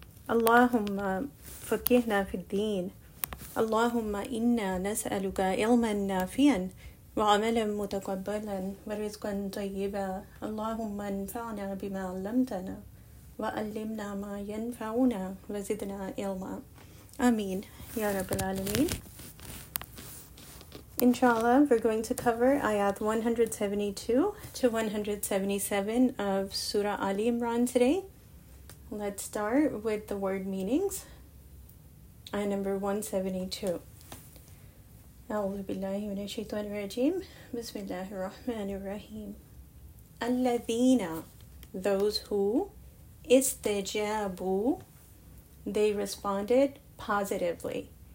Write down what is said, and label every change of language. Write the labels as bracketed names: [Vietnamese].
[Arabic] اللهم فقهنا في الدين. اللهم إنا نسألك علما نافعا وعملا متقبلا ورزقا طيبا. اللهم انفعنا بما علمتنا وعلمنا ما ينفعنا وزدنا علما. آمين يا رب العالمين. [English] Inshallah, we're going to cover ayat 172 to 177 of Surah Ali Imran today. Let's start with the word meanings. Ayah number 172. [Arabic] أعوذ بالله من الشيطان الرجيم. بسم الله الرحمن الرحيم. الذين, [English] those who, [Arabic] استجابوا, [English] they responded positively.